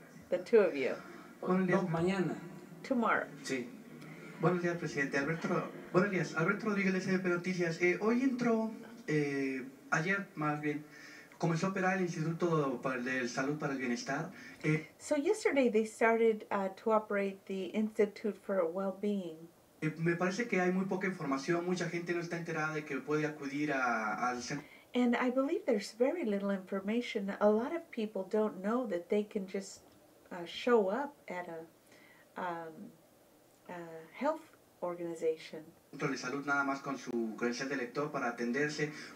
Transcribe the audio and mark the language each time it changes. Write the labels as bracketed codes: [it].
[en] The two of you. [es] No, mañana. [en] Tomorrow. [es] Sí. Buenos días, presidente. Alberto Rodríguez, SBP Noticias. Hoy entró ayer más bien comenzó a operar el Instituto de Salud para el Bienestar. [en] So yesterday they started to operate the Institute for Well-Being. [es] Me parece que hay muy poca información, mucha gente no está enterada de que puede acudir al centro. [en] And I believe there's very little information. A lot of people don't know that they can just show up at a health organization. [es] De salud nada más con su credencial de lector para atenderse.